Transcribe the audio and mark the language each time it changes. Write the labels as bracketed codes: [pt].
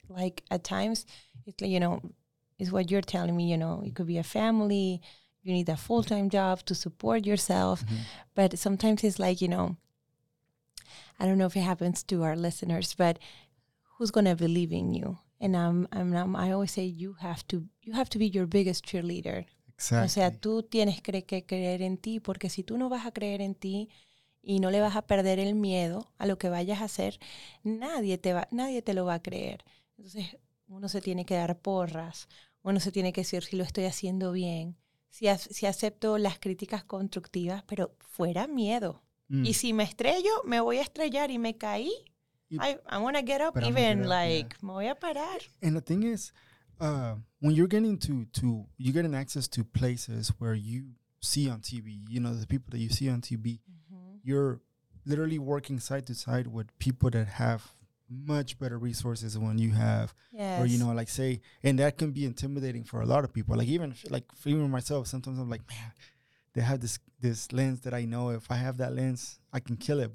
[en] Like, at times, it's, you know, is what you're telling me, you know, it could be a family, you need a full-time job to support yourself. Mm-hmm. But sometimes it's like, you know, I don't know if it happens to our listeners, but who's going to believe in you? And I always say you have to be your biggest cheerleader. Exactly. [es] O sea, tú tienes que creer en ti, porque si tú no vas a creer en ti y no le vas a perder el miedo a lo que vayas a hacer, nadie te lo va a creer. Entonces, uno se tiene que dar porras, uno se tiene que decir si lo estoy haciendo bien, si acepto las críticas constructivas, pero fuera miedo. Y si me estrello, me voy a estrellar y me caí. [en] I'm gonna get up, even get up, like, yeah. [es] Me voy a parar. [en] And the thing is, when you're getting to you're getting access to places where you see on TV, you know, the people that you see on TV, you're literally working side to side with people that have much better resources when you have, or, you know, like, say, and that can be intimidating for a lot of people. Like, even like for even myself, sometimes I'm like, man, they have this lens that I know if I have that lens, I can kill it.